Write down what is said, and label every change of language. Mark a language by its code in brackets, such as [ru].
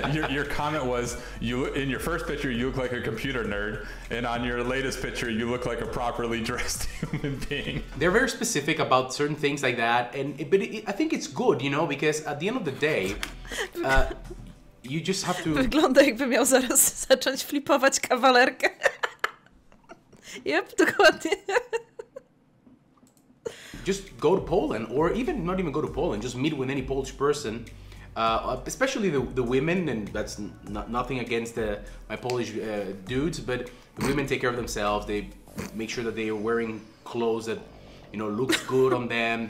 [en] Your comment was, you in your first picture you look like a computer nerd, and on your latest picture you look like a properly dressed human being. They're very specific about certain things like that, but I think it's good, you know, because at the end of the day, you just have to. [pl] Wygląda, jakby miał zaraz zacząć flipować kawalerkę. Yep, dokładnie. [en] Just go to Poland, or even not even go to Poland, just meet with any Polish person, especially the women, and that's nothing against my Polish dudes, but the women take care of themselves, they make sure that they are wearing clothes that, you know, looks good on them.